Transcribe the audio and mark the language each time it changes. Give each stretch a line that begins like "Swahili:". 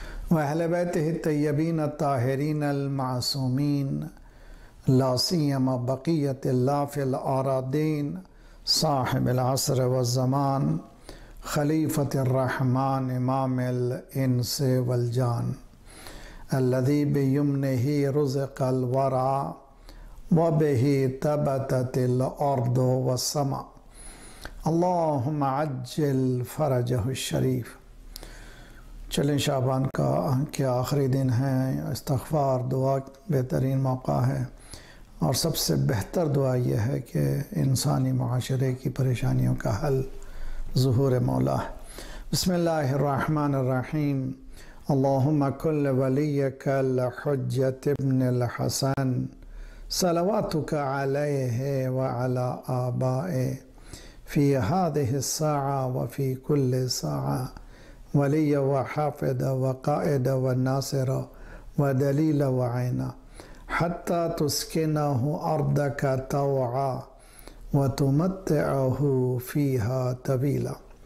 Arabic: وأهل بيته الطيبين الطاهرين المعصومين لا سيما بقية الله في الأراضين صاحب العصر والزمان خليفة الرحمن إمام الإنس والجان الذي بيمنه رزق الورى وبه ثبتت الأرض والسماء اللهم عجل فرجه الشريف.
Urdu: چلیں شعبان کا کے آخری دن ہیں, استغفار دعا بہترین موقع ہے اور سب سے بہتر دعا یہ ہے کہ انسانی معاشرے کی پریشانیوں کا حل ظہور مولا ہے.
Arabic: بسم اللہ الرحمن الرحیم. اللهم كل وليك الحجة ابن الحسن صلواتك عليه وعلى آبائه في هذه الساعة وفي كل ساعة ولي وحافظ وقائد وناصر ودليل وعين حتى تسكنه أرضك طوعا وتمتعه فيها طويلا.